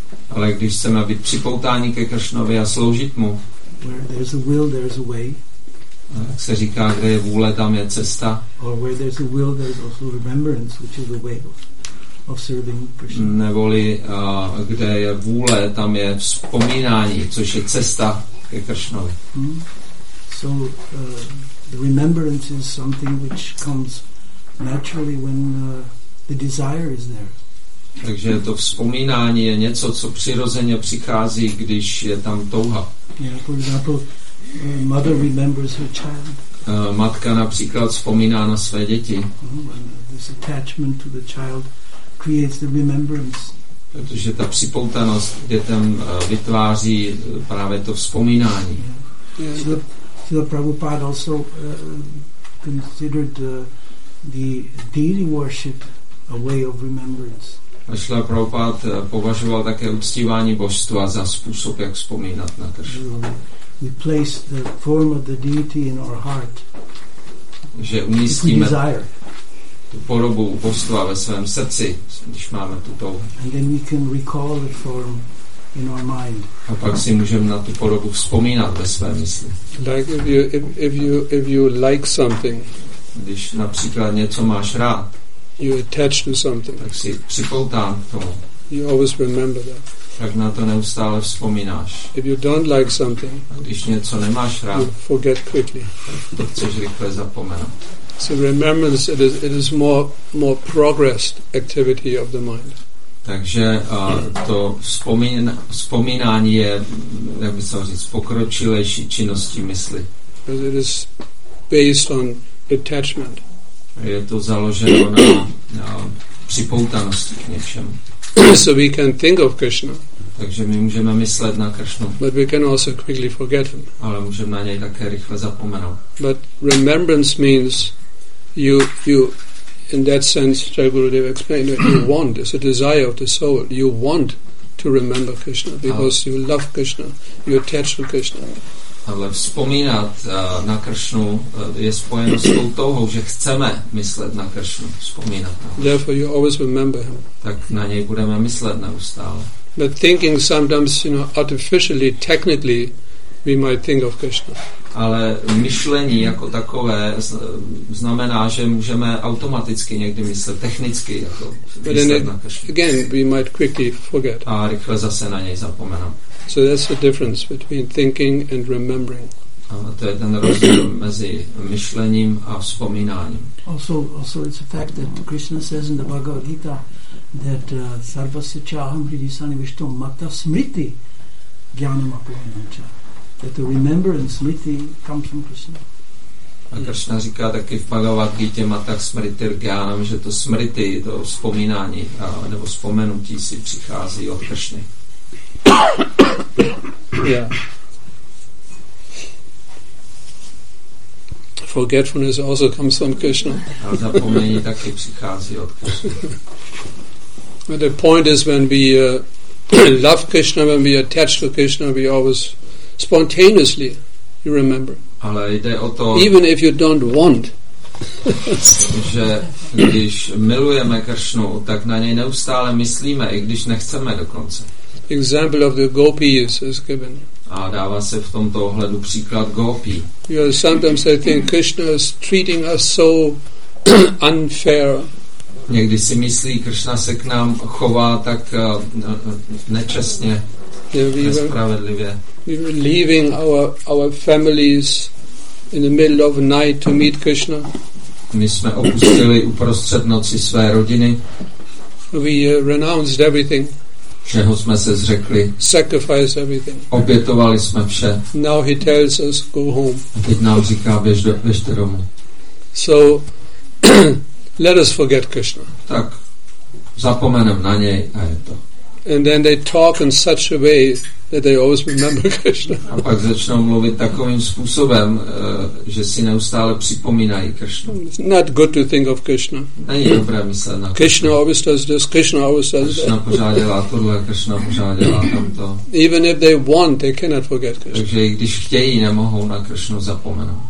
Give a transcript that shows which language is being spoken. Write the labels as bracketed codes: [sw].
[cs] Ale když chceme být připoutáni ke Krishnovi a sloužit mu. [en] Where there's a will, there's a way. [cs] Jak se říká, kde je vůle, tam je cesta. [en] Or where there's a will, there's also remembrance, which is a way of serving Krishna. [cs] Neboli, kde je vůle, tam je vzpomínání, což je cesta ke Kršnovi. Hmm. [en] So the remembrance is something which comes naturally when the desire is there. [cs] Takže to vzpomínání je něco, co přirozeně přichází, když je tam touha. [en] Yeah, for example, mother remembers her child. [cs] Matka například vzpomíná na své děti. [en] This attachment to the child creates the remembrance. [cs] Protože ta připoutanost dětem vytváří právě to vzpomínání. [en] Srila Prabhupada also considered the deity worship a way of remembrance. [cs] Srila Prabhupada považoval také uctívání božstva za způsob, jak vzpomínat na Kršnu. [en] We place the form of the deity in our heart. [cs] Že umístíme tu podobu božstva ve svém srdci, když máme tu touhu. [en] And then we can recall the form in our mind. [cs] A pak si můžeme na tu podobu vzpomínat ve své mysli. [en] Like if you like something. [cs] Když například něco máš rád. [en] You attach to something. [cs] Tak si připoután k tomu. [en] You always remember that. [cs] Tak na to neustále vzpomínáš. [en] If you don't like something, [cs] a když něco nemáš rád, [en] you forget quickly. [cs] To chceš rychle zapomenout. [en] So remembrance it is more progressed activity of the mind. [cs] Takže to vzpomínání je, jak by se říct, pokročilejší činností mysli. [en] Because it is based on attachment. [cs] Je to založeno na připoutanosti k něčemu. [en] So we can think of Krishna. [cs] Takže my můžeme myslet na Kršnu. [en] But we can also quickly forget him. [cs] Ale můžeme na něj také rychle zapomenout. [en] But remembrance means you in that sense, Jai Gurudev explained that you want, it's a desire of the soul. You want to remember Krishna because you love Krishna, you attach to Krishna. [cs] Ale vzpomínat na Kršnu je spojeno s tou touhou, že chceme myslet na Kršnu, vzpomínat na. [en] Therefore you always remember him. [cs] Tak na něj budeme myslet neustále. [en] But thinking sometimes, you know, artificially, technically, we might think of Krishna. [cs] Ale myšlení jako takové znamená, že můžeme automaticky někdy myslet technicky jako myslet na Kršnu. [en] Again, we might quickly forget. [cs] A rychle zase na něj zapomenout. [en] So that's the difference between thinking and remembering. [cs] A to je ten rozdíl mezi myšlením a vzpomínáním. [en] Also it's a fact that Krishna says in the Bhagavad Gita that [sa] sarvasya chaham hridi sannivishto mata smriti jnanam apuranam cha. [en] That the remembrance smriti comes from Krishna. [cs] A Krishna říká taky v Bhagavad Gita [sa] mata smriti jnanam, [cs] že to smriti, to vzpomínání nebo vzpomenutí si přichází od Krishny. [en] Yeah. Forgetfulness also comes from Krishna. [cs] Zapomnění taky přichází od Krishna. [en] But the point is when we love Krishna, when we attach to Krishna, we always spontaneously you remember. [cs] Ale jde o to, [en] even if you don't want. [cs] Že když milujeme Krishnu, tak na něj neustále myslíme, i když nechceme dokonce. [en] Example of the gopis is given. [cs] A dává se v tomto ohledu příklad gopí. [en] You know, sometimes I think Krishna is treating us so unfair. [cs] Někdy si myslí, Krishna se k nám chová tak nečestně, nespravedlivě. [en] We were leaving our families in the middle of night to meet Krishna. [cs] My jsme opustili uprostřed noci své rodiny. [en] We renounced everything. [cs] Čeho jsme se zřekli. [en] Sacrifice everything. [cs] Obětovali jsme vše. [en] Now he tells us, go home. [cs] A teď nám říká, běžte domů. [en] So, let us forget Krishna. [cs] Tak, zapomenem na něj a je to. [en] And then they talk in such a way that they always remember Krishna. [cs] A pak začnou mluvit takovým způsobem, že si neustále připomínají Krishna. [en] It's not good to think of Krishna. [cs] Není dobré myslet na [en] Krishna always does this, Krishna always does that. [cs] Krishna pořád dělá tohle, Krishna pořád dělá tamto. [en] Even if they want, they cannot forget Krishna. [cs] Takže i když chtějí, nemohou na Krishnu zapomenout.